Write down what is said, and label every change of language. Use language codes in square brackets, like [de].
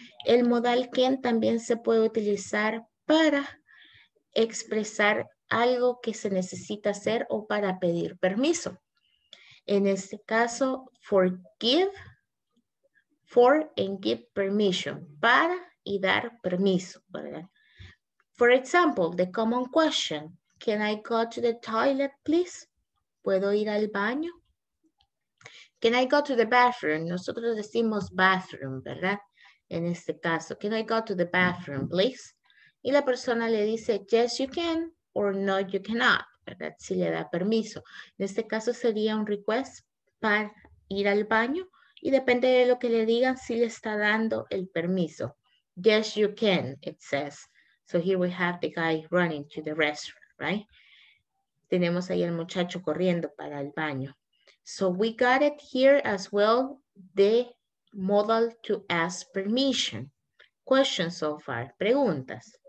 [es] El modal can también se puede utilizar para expresar algo que se necesita hacer o para pedir permiso. En este caso, [en] give permission, [es] para y dar permiso, ¿verdad? [en] For example, the common question, can I go to the toilet, please? [es] ¿Puedo ir al baño? [en] Can I go to the bathroom? [es] Nosotros decimos bathroom, ¿verdad? En este caso, [en] can I go to the bathroom, please? [es] Y la persona le dice, [en] yes, you can, or no, you cannot, [es] ¿verdad? Si le da permiso. En este caso sería un request para ir al baño. Y depende de lo que le digan, si le está dando el permiso. [en] Yes, you can, it says. So here we have the guy running to the restroom, right? [es] Tenemos ahí el muchacho corriendo para el baño. [en] So we got it here as well, the modal to ask permission. Questions so far, [es] preguntas.